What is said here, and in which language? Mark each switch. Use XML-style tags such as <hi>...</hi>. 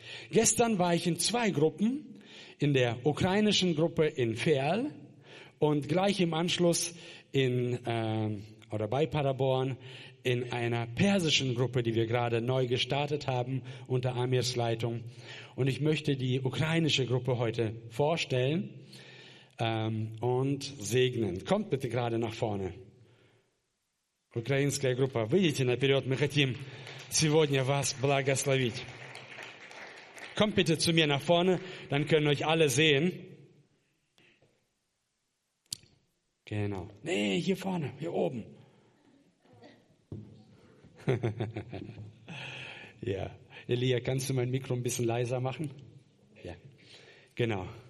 <de>Gestern war ich in zwei Gruppen, in der ukrainischen Gruppe in Ferl und gleich im Anschluss bei Paderborn in einer persischen Gruppe, die wir gerade neu gestartet haben unter Amirs Leitung. Und ich möchte die ukrainische Gruppe heute vorstellen und segnen. Kommt bitte gerade nach vorne.</de> <ru>Украинская группа, выйдите наперед, мы хотим сегодня вас благословить.</ru> <de>Kommt bitte zu mir nach vorne, dann können euch alle sehen. Genau. Nee, hier vorne, hier oben. Ja, Elia, kannst du mein Mikro ein bisschen leiser machen? Ja, genau.</de>